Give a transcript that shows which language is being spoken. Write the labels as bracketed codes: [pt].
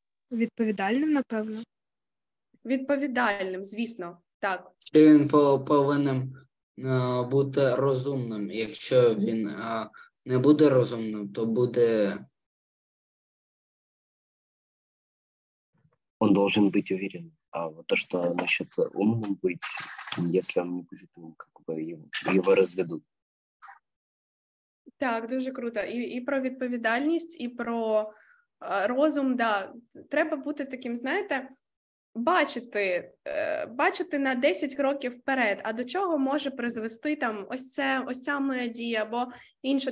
[uk] Відповідальним, напевно. Відповідальним, звісно, так. Чи він повинен бути розумним? Якщо він не буде розумним, то буде... [ru] Он должен быть уверен. А вот то, что насчет умным быть, если он не будет, как бы его разведут. [uk] Так, дуже круто. І про відповідальність, і про розум, да. Треба бути таким, знаєте, бачити на 10 кроків вперед, а до чого може призвести там ось ця моя дія або інша.